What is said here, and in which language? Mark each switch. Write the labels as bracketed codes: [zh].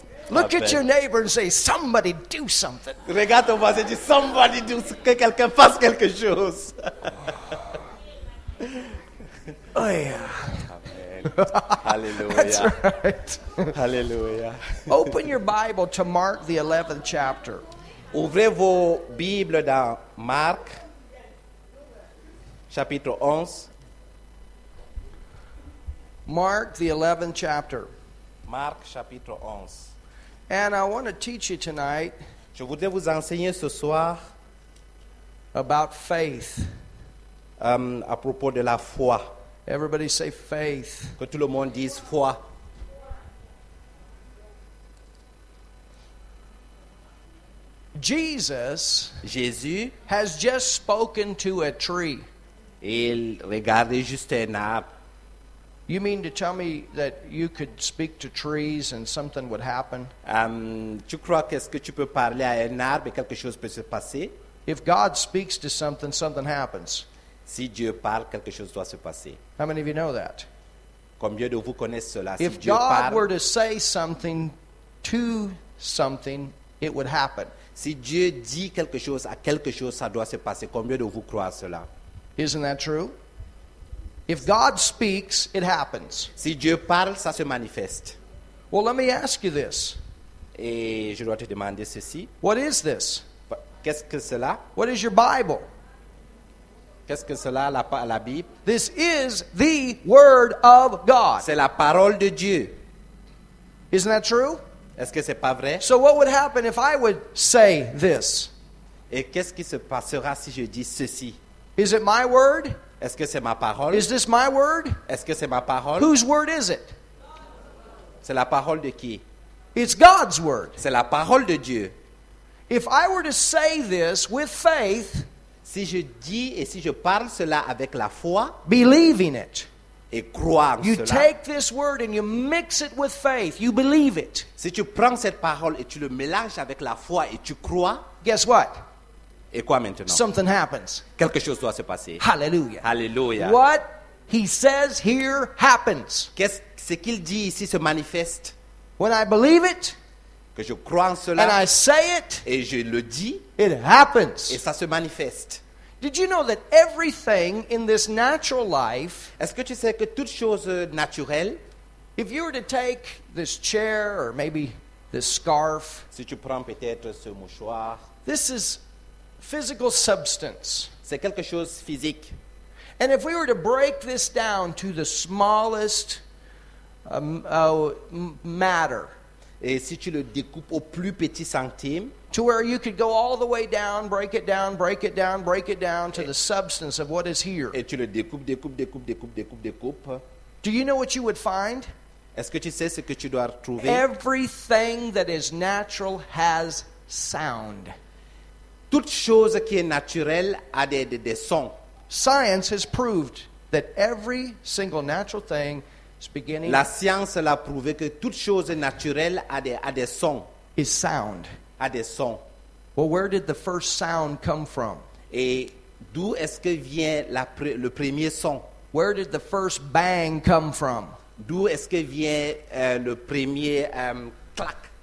[en] Look at your neighbor and say, somebody do something. [fr] Regarde ton voisin et dis, [en] somebody do, [fr] que quelqu'un fasse quelque chose. [en] Oh, yeah. Hallelujah. That's right. Hallelujah. Open your Bible to Mark the 11th chapter. [fr] Ouvrez vos Bibles dans Marc chapitre 11. [en] Mark the 11th chapter. [fr] Marc chapitre 11. [en] And I want to teach you tonight. [fr] Je voudrais vous enseigner ce soir [en] about faith. [fr] À propos de la foi. [en] Everybody say faith. [fr] Que tout le monde dise foi. [en] Jésus has just spoken to a tree. [fr] Il regardait juste un arbre. [en] You mean to tell me that you could speak to trees and something would happen? [fr] Tu crois qu'est-ce que tu peux parler à un arbre et quelque chose peut se passer? [en] If God speaks to something, something happens. [fr] Si Dieu parle, quelque chose doit se passer. [en] How many of you know that? [fr] Combien de vous connaissent cela? [en] If [fr] si Dieu [en] God [fr] parle, [en] were to say something to something, it would happen. [fr] Si Dieu dit quelque chose à quelque chose, ça doit se passer. Combien de vous croient cela? [en] Isn't that true? If God speaks, it happens. [fr] Si Dieu parle, ça se manifeste. [en] Well, let me ask you this. [fr] Et je dois te demander ceci. [en] What is this? [fr] Qu'est-ce que cela? [en] What is your Bible? [fr] Qu'est-ce que cela, la Bible? [en] This is the word of God. [fr] C'est la parole de Dieu. [en] Isn't that true? [fr] Est-ce que c'est pas vrai? [en] So what would happen if I would say this? [fr] Et qu'est-ce qui se passera si je dis ceci? [en] Is it my word? [fr] Est-ce que c'est ma parole? [en] Is this my word? [fr] Est-ce que c'est ma parole? [en] Whose word is it? [fr] C'est la parole de qui? [en] It's God's word. [fr] C'est la parole de Dieu. [en] If I were to say this with faith, [fr] si je dis et si je parle cela avec la foi, [en] believing it, [fr] et croire cela, [en] you take this word and you mix it with faith, you believe it. [fr] Si tu prends cette parole et tu le mélanges avec la foi et tu crois, [en] guess what? [fr] Et quoi maintenant? [en] Something happens. [fr] Quelque chose doit se passer. [en] Hallelujah. Hallelujah. What he says here happens. [fr] Ce qu'il dit ici se manifeste. [en] When I believe it, [fr] que je crois en cela, [en] and I say it, [fr] et je le dis, [en] it happens. [fr] Et ça se manifeste. [en] Did you know that everything in this natural life, [fr] est-ce que tu sais que toute chose naturelle, [en] if you were to take this chair or maybe this scarf, [fr] si tu prends peut-être ce mouchoir, [en] this is physical substance. [fr] C'est quelque chose physique. [en] And if we were to break this down to the smallest matter, [fr] et si tu le découpes au plus petit centime, [en] to where you could go all the way down, break it down, break it down, break it down to the substance of what is here. [fr] Et tu le découpes, découpes, découpes, découpes, découpes, découpes. [en] Do you know what you would find? [fr] Est-ce que tu sais ce que tu dois retrouver? [en] Everything that is natural has sound. [fr] Toute chose qui est naturelle a des sons. [en] Science has proved that every single natural thing beginning. [fr] La science l'a prouvé que toute chose naturelle a des sons. [en] Is sound. [fr] A des sons. [en] Well, where did the first sound come from? [fr] Et d'où est-ce que vient le premier son? [en] Where did the first bang come from? [fr] D'où est-ce que vient le premier clac?